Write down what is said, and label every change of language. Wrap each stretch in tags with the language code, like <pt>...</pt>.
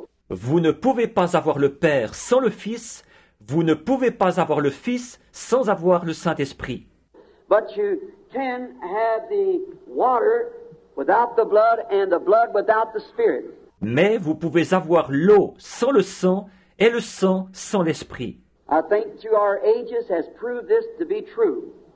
<fr>Vous ne pouvez pas avoir le Père sans le Fils. Vous ne pouvez pas avoir le Fils sans avoir le Saint-Esprit.</fr> <en>But you can have the water without the blood and the blood without the Spirit.</en> <fr>Mais vous pouvez avoir l'eau sans le sang et le sang sans l'Esprit.</fr> <en>I think through our ages has proved this to be true.</en>